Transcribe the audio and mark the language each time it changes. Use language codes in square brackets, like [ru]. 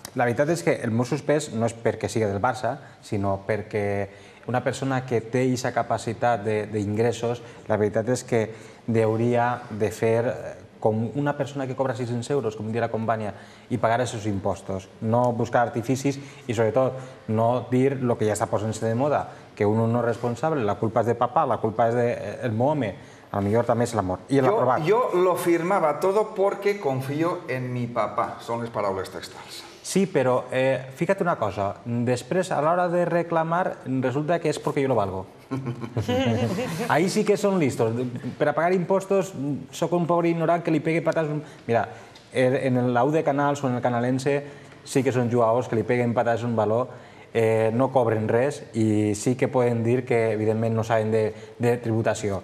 [ca] La veritat és que el meu suspès no és perquè sigui del Barça, sinó perquè una persona que té aquesta capacitat d'ingressos, la veritat és que hauria de fer com una persona que cobra 600 euros, com diria la companya, i pagar els seus impostos. No buscar artificis i, sobretot, no dir el que ja està posant-se de moda, que un no és responsable, la culpa és de papà, la culpa és del meu home, a lo millor també és l'amor. I l'ha provat. [es] Jo lo firmava todo porque confío en mi papá. [ca] Són les paraules textuals. Sí, però fica't una cosa. Després, a l'hora de reclamar, resulta que és perquè jo no valgo. [es] Ahí sí que són listos. [ca] Per a pagar impostos, sóc un pobre ignorant que li pegui patats... Mira, en l'AU de Canals o en el Canalense sí que són jugadors que li peguen patats un valor, no cobren res i sí que poden dir que, evidentment, no saben de tributació.